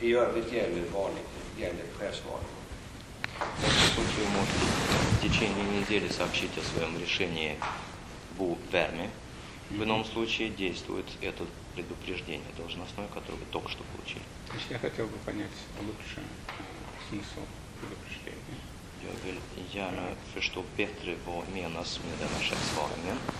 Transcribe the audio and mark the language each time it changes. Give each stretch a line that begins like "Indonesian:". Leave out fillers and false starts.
Swedish: I övrigt gäller varning, gäller chefsvarning. Vi måste i
Russian: течение недели сообщить о своем решении Боверме. В ином случае действует это предупреждение должностное, которое вы только что получили. То есть я хотел бы понять лучше смысл предупреждения.
Swedish: Jag vill gärna förstå bättre vad menas med den här chefsvarningen.